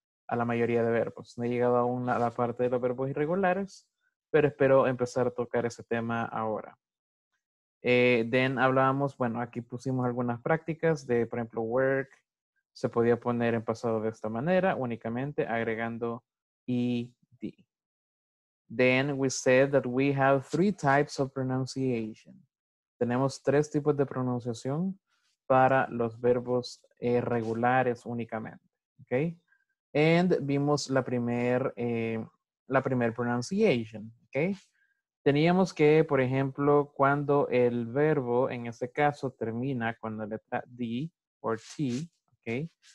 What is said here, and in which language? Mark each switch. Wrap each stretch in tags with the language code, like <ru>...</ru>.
<es>A la mayoría de verbos. No he llegado aún a la parte de los verbos irregulares, pero espero empezar a tocar ese tema ahora. Then hablábamos, bueno, aquí pusimos algunas prácticas de, por ejemplo, work. Se podía poner en pasado de esta manera, únicamente agregando ed.</es> <en>Then we said that we have three types of pronunciation.</en> <es>Tenemos tres tipos de pronunciación para los verbos regulares únicamente, okay? And vimos la primer pronunciation, okay? Teníamos que, por ejemplo, cuando el verbo, en este caso, termina con la letra D or T, okay?</es>